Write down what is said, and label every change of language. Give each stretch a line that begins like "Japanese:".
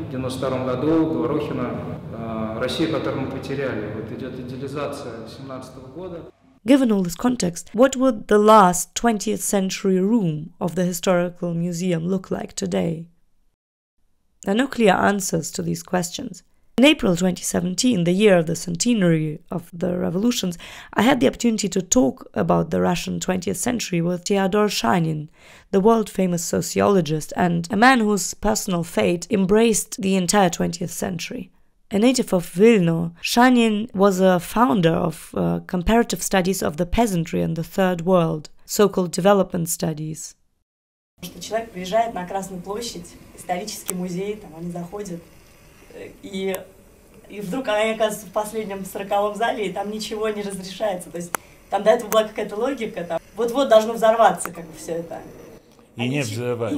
Russian: 92-м году Говорухина, Россия, которую мы потеряли. Вот идет идеализация 17-го года.
English: Given all this context, what would the last 20th century room of the historical museum look like today? There are no clear answers to these questions. In April 2017, the year of the centenary of the revolutions, I had the opportunity to talk about the Russian 20th century with Teodor Shanin, the world-famous sociologist and a man whose personal fate embraced the entire 20th century. A native of Wilna, Shanin was a founder of comparative studies of the peasantry and the Third World, so-called development studies.
Russian: Что человек приезжает на Красную площадь, исторический музей, там они заходят, и вдруг они оказываются в последнем сороковом зале, и там ничего не разрешается. То есть там до этого была какая-то логика, там вот-вот должно взорваться, как бы все это. И не взрывается.